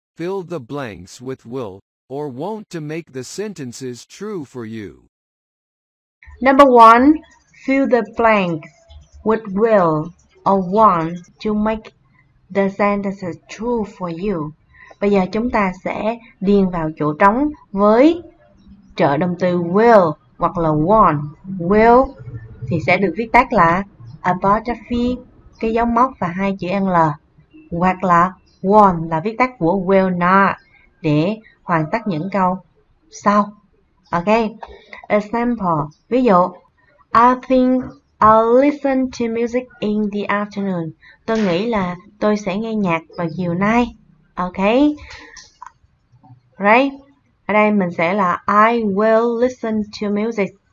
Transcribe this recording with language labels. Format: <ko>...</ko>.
<en>Fill the blanks with will or won't to make the sentences true for you. Number 1. Fill the blanks with will or won't to make the sentences true for you.</en> <vi>Bây giờ chúng ta sẽ điền vào chỗ trống với trợ động từ will hoặc là won't. Will thì sẽ được viết tắt là apostrophe, cái dấu móc và hai chữ l, hoặc là won't là viết tắt của will not để hoàn tất những câu sau.</vi> <en>Ok. Example.</en> <vi>Ví dụ,</vi> <en>I think I'll listen to music in the afternoon.</en> <vi>Tôi nghĩ là tôi sẽ nghe nhạc vào chiều nay. Ok. Right. Ở đây mình sẽ là</vi> <en>I will listen to music.</en>